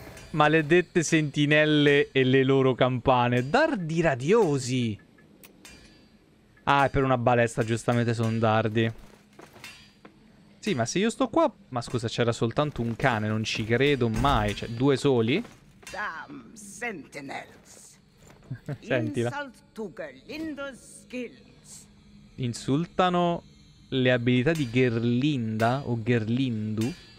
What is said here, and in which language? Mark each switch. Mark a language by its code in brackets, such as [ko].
[it] Maledette sentinelle e le loro campane. Dardi radiosi. Ah, è per una balestra, giustamente sono dardi. Sì, ma se io sto qua... Ma scusa, c'era soltanto un cane, non ci credo mai. Cioè, due soli? [en] Damn sentinels. [it] Sentila. [en] Insult to Gerlinda's skills. [it] Insultano le abilità di Gerlinda o Gerlindu.